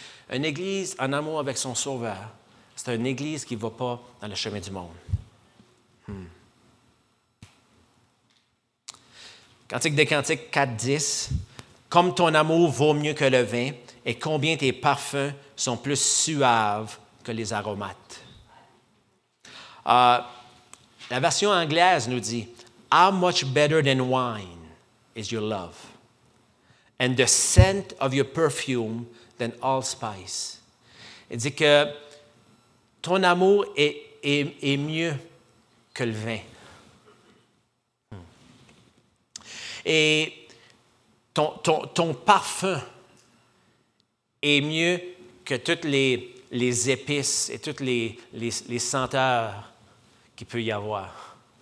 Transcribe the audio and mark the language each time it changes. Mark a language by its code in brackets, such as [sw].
[fr] Une église en amour avec son sauveur. C'est une église qui ne va pas dans le chemin du monde. Cantique des Cantiques 4:10. Comme ton amour vaut mieux que le vin, et combien tes parfums sont plus suaves que les aromates. La version anglaise nous dit, [en] How much better than wine is your love, and the scent of your perfume than all spice. [fr] Il dit que ton amour est mieux que le vin. Et ton parfum est mieux que toutes les épices et toutes les senteurs qu'il peut y avoir.